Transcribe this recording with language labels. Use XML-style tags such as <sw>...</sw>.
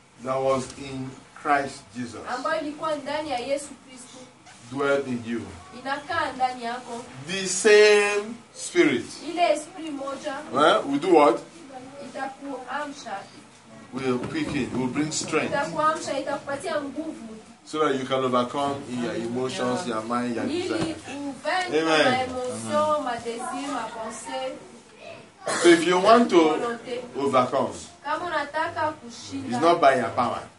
<en>that was in Christ Jesus</en> <sw>ambayo ilikuwa ndani ya Yesu Kristo</sw> <en>dwell in you</en> <sw>inakaa ndani yako,</sw> <en>the same spirit</en> <sw>ile esprit moja,</sw> <en>well, we do what</en> <sw>itakuamsha,</sw> <en>will quicken, will bring strength</en> <sw>itakuamsha, itakupatia nguvu,</sw> <en>so that you can overcome in your emotions, your mind, your desire. Amen.</en> <fr>Ma emotion, ma désir, ma pensée.</fr> <en>So if you want to overcome, it's not by your power.</en>